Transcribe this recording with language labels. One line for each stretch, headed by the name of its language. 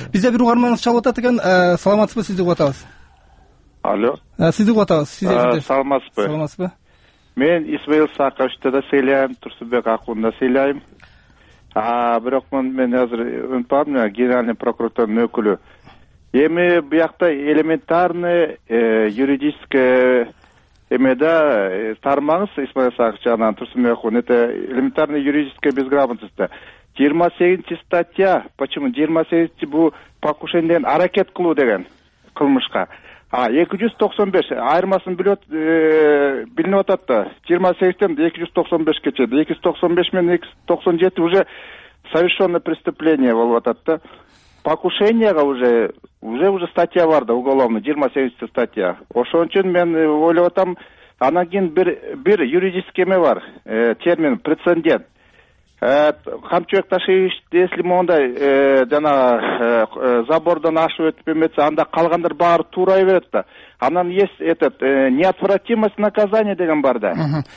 Kyrgyz: Бизде бир угарманыбыз чалып атат экен, саламатсызбы, сизди угуп атабыз. Алло. Сизди угуп атабыз, сиз эфирде. Саламатсызбы. Саламатсызбы. Мен Исмаил Сакышты да сыйлайм, Турсунбек Акунда сыйлайм. Бирок мен азыр унутуп калдым,
Russian: генеральный
Kyrgyz: прокуратуранын өкүлү. Эми буякта
Russian: элементарный юридическая
Kyrgyz: эме да тармагыз Исмаил Сакыч анан Турсунбек Акун,
Russian: это элементарная юридическая безграмотность
Kyrgyz: да. 28-чи статья,
Russian: почему
Kyrgyz: 28-чи, бул покушениден аракет кылуу деген кылмышка. 295 айырмасын билинип атат да, 28-тен 295 кечеди, 295 менен 297
Russian: уже совершенно преступление
Kyrgyz: болуп атат да. Покушенияга
Russian: уже
Kyrgyz: статья бар да,
Russian: уголовный
Kyrgyz: 28-чи статья. Ошон үчүн мен ойлоп атам, анан кийин бир
Russian: юридический
Kyrgyz: эме бар термин, прецедент. Камчыбек Ташиевич,
Russian: если
Kyrgyz: мондай жана забордон ашып өтүп эметсе, анда калгандар баары туурай берет да. Анан
Russian: есть этот неотвратимость наказания
Kyrgyz: деген бар да.